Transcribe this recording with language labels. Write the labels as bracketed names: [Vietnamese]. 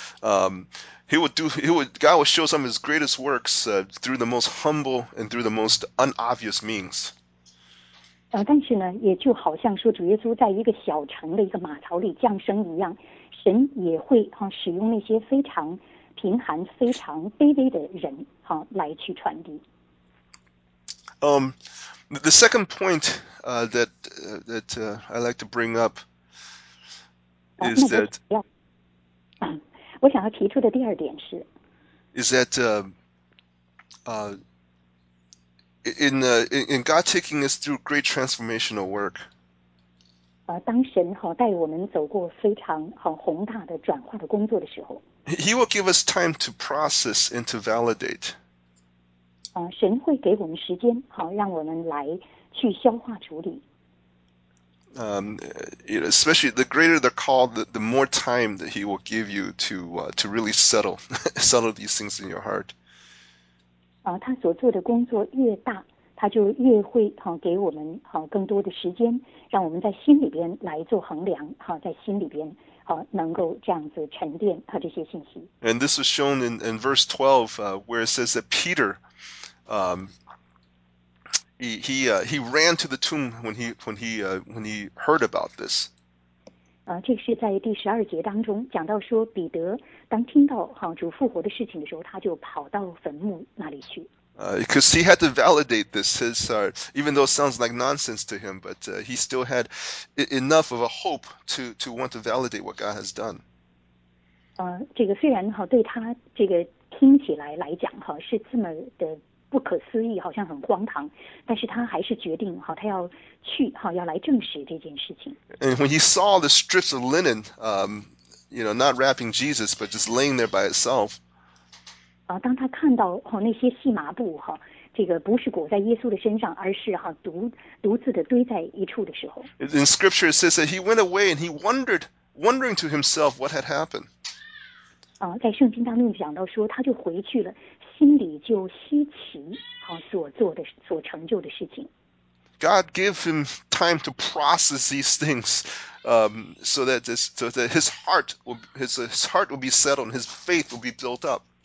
[English] God will show some of his greatest works through the most humble and through the most unobvious means. [Chinese] 但是呢，也就好像说主耶稣在一个小城的一个马槽里降生一样，神也会使用那些非常贫寒、非常卑微的人来去传递。 [English] The second point that I like to bring up is that [Chinese] 我想要提出的第二点是 [English] is that in God taking us through great transformational work [Chinese] 当神带我们走过非常宏大的转化的工作的时候 [English] He will give us time to process and to validate [Chinese] 神会给我们时间让我们来去消化处理。 [English] Especially the greater the call, the more time that he will give you to really settle these things in your heart. [Chinese] 他所做的工作越大他就越会给我们更多的时间让我们在心里边来做衡量在心里边能够这样子沉淀这些信息。 [English] And this was shown in verse 12 where it says that Peter He ran to the tomb when he heard about this. [Chinese] 这是在第十二节当中讲到说，彼得当听到主复活的事情的时候，他就跑到坟墓那里去。 [English] Because he had to validate this, even though it sounds like nonsense to him, but he still had enough of a hope to want to validate what God has done. [Chinese] 这个虽然对他这个听起来讲是这么的不可思议，好像很荒唐，但是他还是决定他要去要来证实这件事情。 [English] And when he saw the strips of linen, not wrapping Jesus, but just laying there by itself. [Chinese] 当他看到那些细麻布这个不是裹在耶稣的身上，而是独自的堆在一处的时候。 [English] In scripture it says that he went away and he wondering to himself what had happened. [Chinese] 在圣经当中讲到说他就回去了，心里就稀奇所做的所成就的事情。 [English] God gave him time to process these things, so that his heart will be settled, his faith will be built up.